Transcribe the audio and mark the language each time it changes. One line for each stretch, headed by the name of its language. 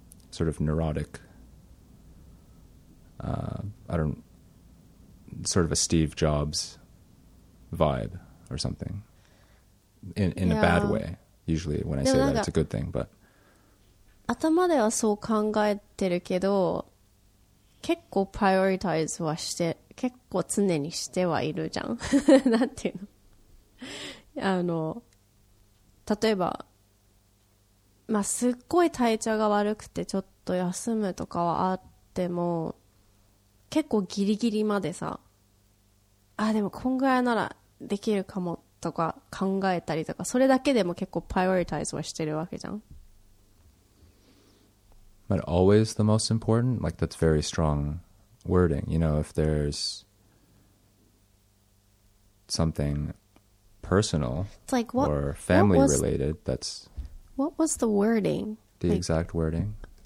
English: sort of neurotic sort of a Steve Jobs vibe or something in a bad way. Usually when I say that it's a good thing, but
Japanese: 頭ではそう考えてるけど結構 prioritize はして結構常にしてはいるじゃんなんていうの例えばまあ、すっごい体調が悪くてちょっと休むとかはあっても結構ギリギリまでさあでもこんぐらいならできるかもとか考えたりとかそれだけでも結構プライオリタイズはしてるわけじゃん
English: But always the most important? Like that's very strong wording You know if there's something personal like what, or family what was... related that's What was the wording? The like, exact wording?